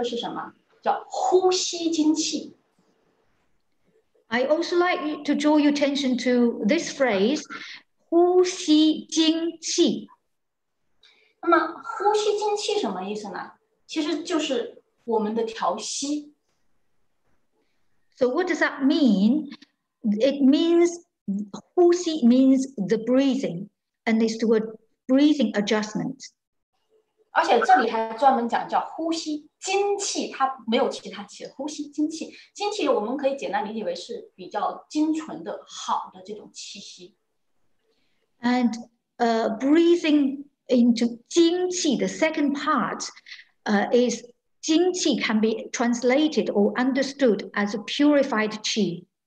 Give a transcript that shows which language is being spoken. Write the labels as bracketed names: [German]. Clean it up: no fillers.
[Chinese] 那么第二个呢,它就是什么?叫呼吸精气。 [English] I also like to draw your attention to this phrase, 呼吸精气。 [Chinese] 那么呼吸精气什么意思呢? 其实就是我们的调息。 [English] So what does that mean? It means, 呼吸 means the breathing, and it's the word breathing adjustment. [Chinese] 而且这里还专门讲叫呼吸精气，它没有其他气，呼吸精气。精气我们可以简单理解为是比较精纯的好的这种气息。 [English] And breathing into 精气, the second part, is 精气 can be translated or understood as a purified qi.